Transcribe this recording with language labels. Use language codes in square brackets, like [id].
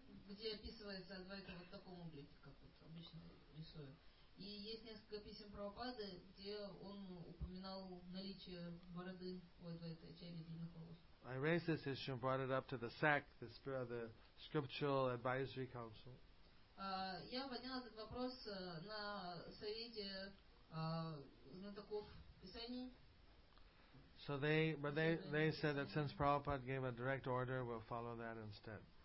[ru] Где описывается Адвайта вот в таком облике, как вот обычно рисуют. И есть несколько писем Прабхупады, где он упоминал наличие бороды у Адвайта Ачарьи, длинных волос. [en] I raised this issue and brought it up to the SAC, the Scriptural Advisory Council. [ru] Я поднял этот вопрос на совете знатоков. [en] So they said that since Prabhupada gave a direct order, we'll follow that instead.